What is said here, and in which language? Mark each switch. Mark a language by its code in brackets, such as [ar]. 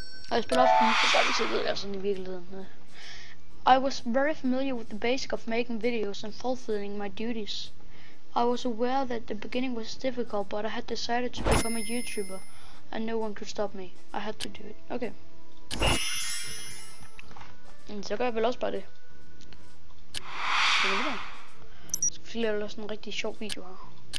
[da] Og jeg spiller ofte, så bare vi ser, ved jeg sådan i virkeligheden. [en] I was very familiar with the basic of making videos and fulfilling my duties. I was aware that the beginning was difficult, but I had decided to become a YouTuber and no one could stop me. I had to do it. Okay. [da] Så gør jeg vel også bare det. Så skal jeg lave sådan en rigtig sjov video her.